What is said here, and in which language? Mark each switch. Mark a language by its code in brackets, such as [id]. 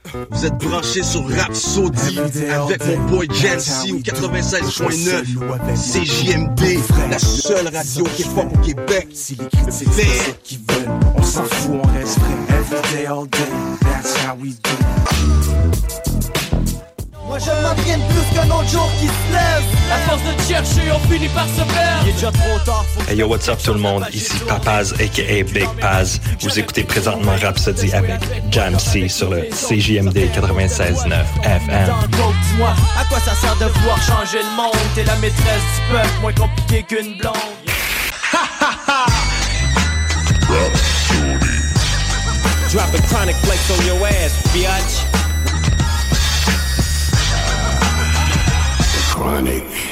[fr] Vous êtes branchés sur Rapsody avec mon boy Jensi au 96.9 CJMD, la seule radio qui est forte au Québec. Si les critiques c'est ça qu'ils veulent, on s'en fout, on reste prêt. [en] Every day, all day, that's how we do. [fr] Moi je m'entraîne plus qu'un autre jour qui se lève. À force de te chercher, on finit par se perdre. Il est déjà trop tard. [en] Hey yo, what's up [fr] tout le monde, ici [en] Papaz aka Big Paz. [fr] Vous écoutez présentement Rapsody avec Jam C sur le CJMD 96.9 FM. À quoi ça sert de vouloir changer le monde? T'es la maîtresse du peuple, moins compliqué qu'une blonde. Ha ha ha. [en] Drop a chronic flex on your ass, biatch. Chronic.